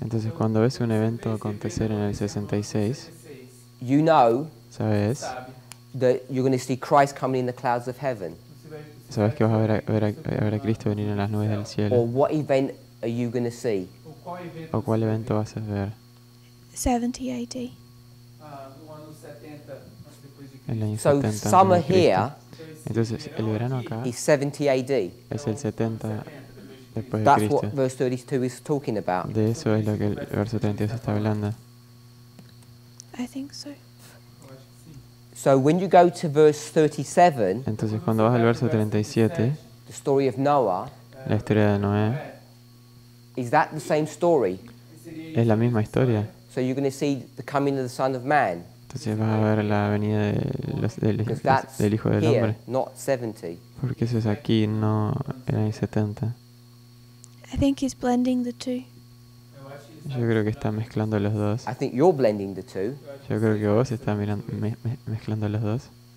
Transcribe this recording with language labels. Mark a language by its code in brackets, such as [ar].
[es] entonces cuando ves un evento acontecer en el 66, [en] you know, [es] sabes, [en] that you're going to see Christ coming in the clouds of heaven. [es] Sabes que vas a ver a Cristo venir en las nubes del cielo. [en] Or what event are you going to see? [es] O cuál evento vas a ver? [en] 70 AD. [es] El año [en] so 70 summer here. [es] Entonces el verano acá [en] is 70 AD. [es] Es el 70 después [en] That's [es] de Cristo. [en] That's what verse 32 is talking about. [es] De eso es lo que el verso 32 está hablando. [en] I think so. So when you go to verse 37, [es] entonces cuando vas al verso 37, [en] the story of Noah, [es] la historia de Noé, [en] is that the same story? [es] Es la misma historia. [en] So you're going to see the coming of the Son of Man. [es] Entonces vas a ver la venida del Hijo del Hombre. [en] Here, not 70. [es] Porque eso es aquí, no en el 70. [en] I think he's blending the two. [es] Yo creo que está mezclando los dos. [en] I think you're blending the two. [es] Yo creo que vos estás mezclando los dos.